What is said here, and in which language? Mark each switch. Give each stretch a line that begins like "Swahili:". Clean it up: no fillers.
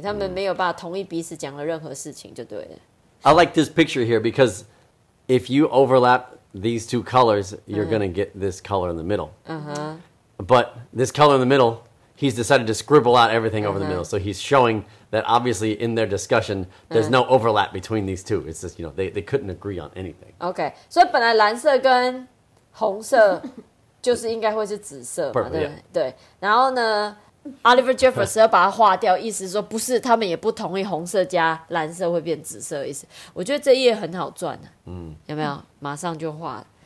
Chinese: 他们没有办法同意彼此讲了任何事情就对了。
English: I like this picture here because if you overlap these two colors, you're going to get this color in the middle. But this color in the middle, he's decided to scribble out everything over the middle. So he's showing that obviously in their discussion, there's no overlap between these two. It's just, you know, they couldn't agree on anything. Okay.
Chinese: 所以本来蓝色跟红色就是应该会是紫色嘛。
English: Perfect,
Chinese: 对, yeah. 对。然后呢Oliver Jeffers 要把它划掉，意思是说不是，他们也不同意红色加蓝色会变紫色的意思。我觉得这页很好赚、啊、有没有？马上就画。